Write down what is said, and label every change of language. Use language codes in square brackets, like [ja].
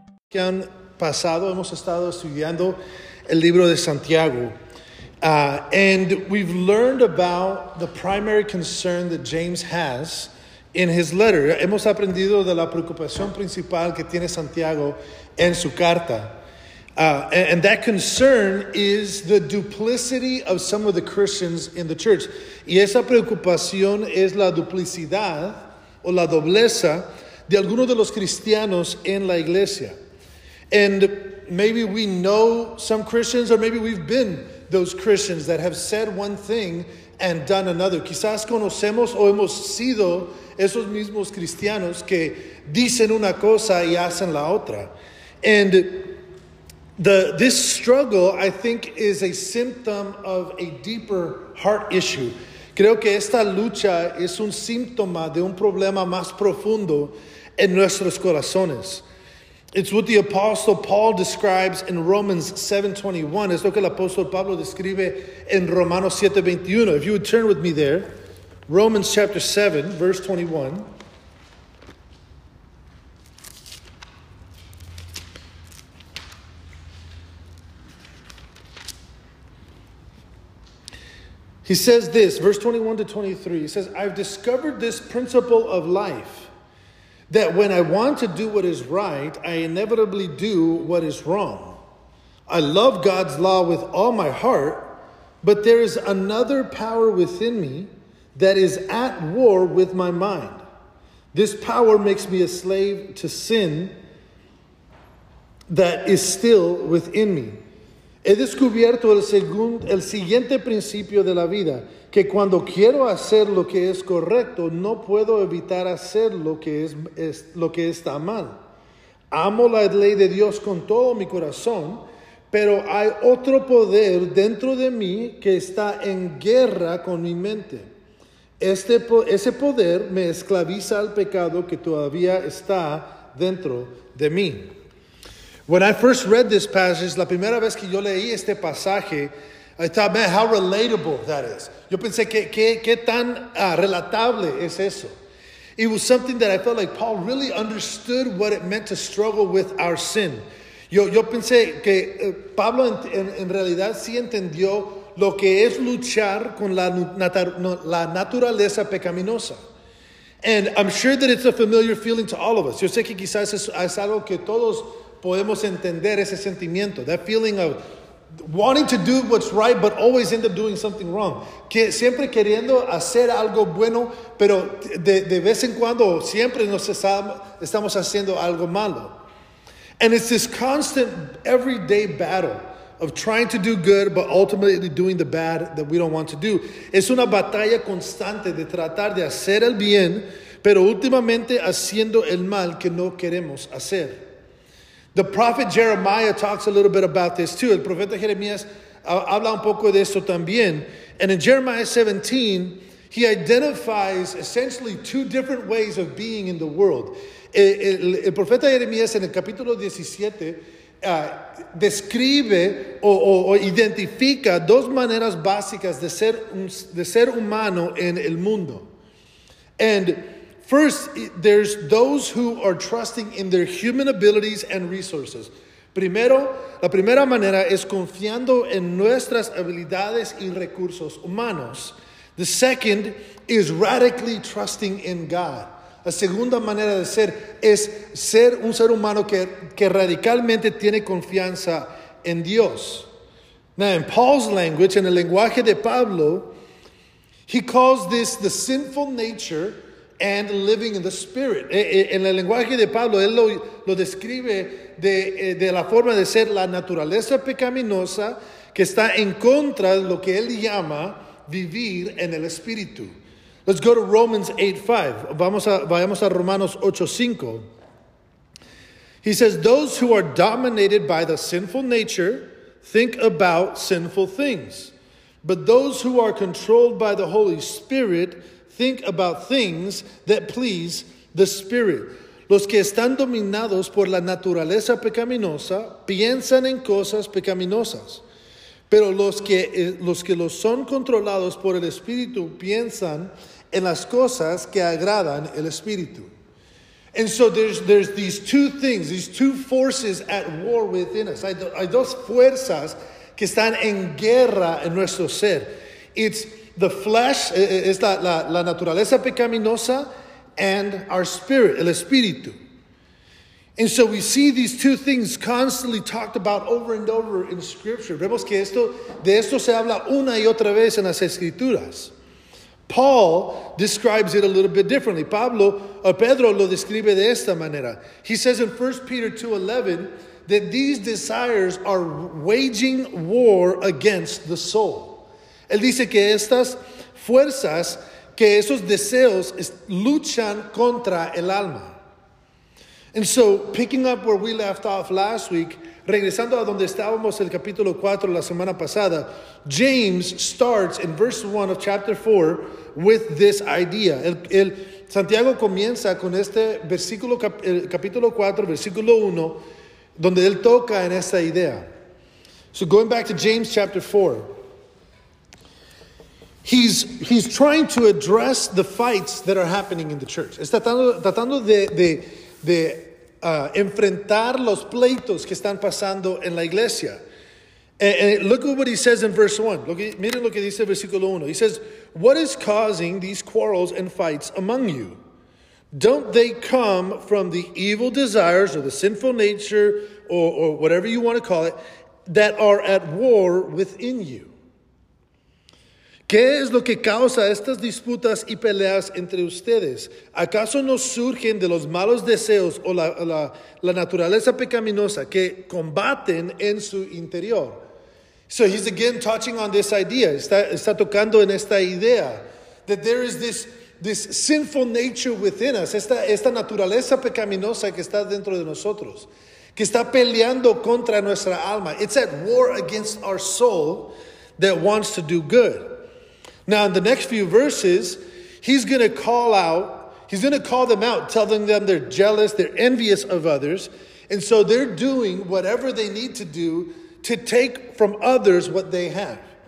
[es] Que han pasado, hemos estado estudiando el libro de Santiago. [en] And we've learned about the primary concern that James has in his letter. [es] Hemos aprendido de la preocupación principal que tiene Santiago en su carta. [en] And that concern is the duplicity of some of the Christians in the church. [es] Y esa preocupación es la duplicidad o la dobleza de algunos de los cristianos en la iglesia. [en] And maybe we know some Christians, or maybe we've been those Christians that have said one thing and done another. [es] Quizás conocemos o hemos sido esos mismos cristianos que dicen una cosa y hacen la otra. [en] And this struggle, I think, is a symptom of a deeper heart issue. [es] Creo que esta lucha es un síntoma de un problema más profundo en nuestros corazones. [en] It's what the Apostle Paul describes in Romans 7:21. [es] Es lo que el Apóstol Pablo describe en Romanos 7:21. [en] If you would turn with me there, Romans chapter 7, verse 21. He says this, verse 21 to 23. He says, I've discovered this principle of life, that when I want to do what is right, I inevitably do what is wrong. I love God's law with all my heart, but there is another power within me that is at war with my mind. This power makes me a slave to sin that is still within me. [es] He descubierto el siguiente principio de la vida, que cuando quiero hacer lo que es correcto, no puedo evitar hacer lo que está mal. Amo la ley de Dios con todo mi corazón, pero hay otro poder dentro de mí que está en guerra con mi mente. Ese poder me esclaviza al pecado que todavía está dentro de mí. [en] When I first read this passage, [es] la primera vez que yo leí este pasaje, [en] I thought, man, how relatable that is. [es] Yo pensé, ¿qué tan relatable es eso? [en] It was something that I felt like Paul really understood what it meant to struggle with our sin. [es] Yo pensé que Pablo en realidad sí entendió lo que es luchar con la naturaleza pecaminosa. [en] And I'm sure that it's a familiar feeling to all of us. [es] Yo sé que quizás es algo que todos podemos entender ese sentimiento, [en] that feeling of wanting to do what's right, but always end up doing something wrong. [es] Que siempre queriendo hacer algo bueno, pero de vez en cuando siempre estamos haciendo algo malo. [en] And it's this constant, everyday battle of trying to do good, but ultimately doing the bad that we don't want to do. [es] Es una batalla constante de tratar de hacer el bien, pero últimamente haciendo el mal que no queremos hacer. [en] The prophet Jeremiah talks a little bit about this too. [es] El profeta Jeremías habla un poco de esto también. [en] And in Jeremiah 17, he identifies essentially two different ways of being in the world. [es] El profeta Jeremías en el capítulo 17 describe o identifica dos maneras básicas de ser humano en el mundo. [en] And first, there's those who are trusting in their human abilities and resources. [es] Primero, la primera manera es confiando en nuestras habilidades y recursos humanos. [en] The second is radically trusting in God. [es] La segunda manera de ser es ser un ser humano que radicalmente tiene confianza en Dios. [en] Now, in Paul's language, [es] en el lenguaje de Pablo, [en] he calls this the sinful nature and living in the spirit. [es] En el lenguaje de Pablo, él lo describe de la forma de ser la naturaleza pecaminosa que está en contra de lo que él llama vivir en el espíritu. [en] Let's go to Romans 8:5. [es] Vayamos a Romanos 8:5. [en] He says, those who are dominated by the sinful nature think about sinful things. But those who are controlled by the Holy Spirit think about things that please the Spirit. [es] Los que están dominados por la naturaleza pecaminosa piensan en cosas pecaminosas. Pero los que los son controlados por el Espíritu piensan en las cosas que agradan el Espíritu. [en] And so there's these two things, these two forces at war within us. [es] Hay dos fuerzas que están en guerra en nuestro ser. [en] It's the flesh, [es] es la naturaleza pecaminosa, [en] and our spirit, [es] el espíritu. [en] And so we see these two things constantly talked about over and over in Scripture. [es] Vemos que de esto se habla una y otra vez en las Escrituras. [en] Paul describes it a little bit differently. [es] Pedro lo describe de esta manera. [en] He says in 1 Peter 2:11 that these desires are waging war against the soul. [es] Él dice que estas fuerzas, que esos deseos luchan contra el alma. [en] And so, picking up where we left off last week, [es] regresando a donde estábamos el capítulo 4 la semana pasada, [en] James starts in verse 1 of chapter 4 with this idea. [es] El Santiago comienza con este versículo, el capítulo 4, versículo 1, donde él toca en esta idea. [en] So going back to James chapter 4, he's trying to address the fights that are happening in the church. [es] Está tratando de enfrentar los pleitos que están pasando en la iglesia. [en] And look at what he says in verse 1. [es] Miren lo que dice el versículo 1. [en] He says, "What is causing these quarrels and fights among you? Don't they come from the evil desires or the sinful nature or whatever you want to call it that are at war within you?" [es] ¿Qué es lo que causa estas disputas y peleas entre ustedes? ¿Acaso no surgen de los malos deseos o la naturaleza pecaminosa que combaten en su interior? [en] So he's again touching on this idea. [es] Está tocando en esta idea [en] that there is this sinful nature within us. [es] Esta naturaleza pecaminosa que está dentro de nosotros, que está peleando contra nuestra alma. [en] It's at war against our soul that wants to do good. Now, in the next few verses, he's going to call them out, telling them they're jealous, they're envious of others. And so they're doing whatever they need to do to take from others what they have.